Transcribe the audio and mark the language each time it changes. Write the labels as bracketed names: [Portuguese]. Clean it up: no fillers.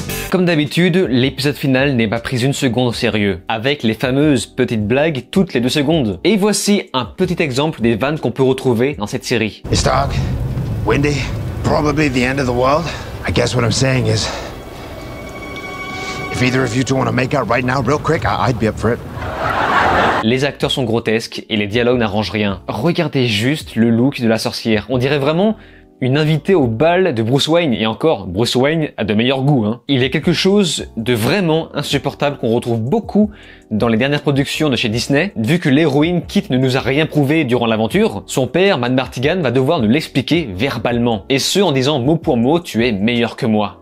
[French] Comme d'habitude, l'épisode final n'est pas pris une seconde au sérieux, avec les fameuses petites blagues toutes les deux secondes. Et voici un petit exemple des vannes qu'on peut retrouver dans cette série. [English] It's dark, windy, probably the end of the world. I guess what I'm saying is, if either of you two want to make out right now, real quick, I'd be up for it. [French] Les acteurs sont grotesques et les dialogues n'arrangent rien. Regardez juste le look de la sorcière. On dirait vraiment une invitée au bal de Bruce Wayne, et encore, Bruce Wayne a de meilleurs goûts, hein. Il y a quelque chose de vraiment insupportable qu'on retrouve beaucoup dans les dernières productions de chez Disney, vu que l'héroïne Kit ne nous a rien prouvé durant l'aventure, son père, Matt Martigan, va devoir nous l'expliquer verbalement, et ce en disant mot pour mot, tu es meilleur que moi.